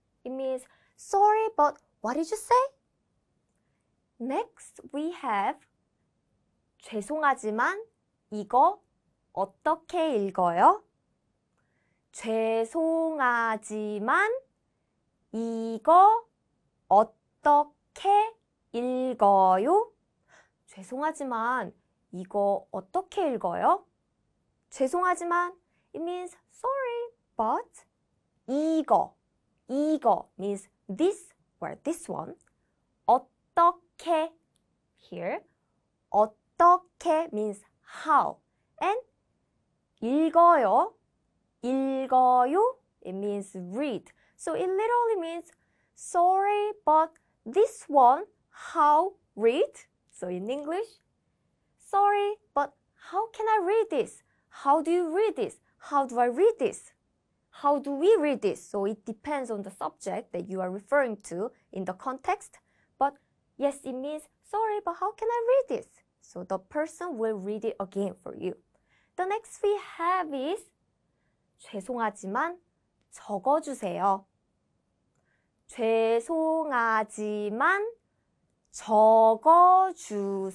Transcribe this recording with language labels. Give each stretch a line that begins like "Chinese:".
English: It means sorry but what did you say? Next we have
Korean: 죄송하지만 이거 어떻게 읽어요? 죄송하지만 이거 어떻게 읽어요? 죄송하지만 이거 어떻게 읽어요? 죄송하지만
English: it means sorry, but
Korean: 이거
English: means this or this one.
Korean: 어떻게
English: here 어떻게 means how and
Korean: 읽어요
English: it means read. So it literally means sorry, but this one, how read? So in English, sorry, but how can I read this? How do you read this? How do I read this? How do we read this? So it depends on the subject that you are referring to in the context. But yes, it means sorry, but how can I read this? So the person will read it again for you. The next we have is
Korean: 죄송하지만 적어주세요. 죄송하지만 적어주세요.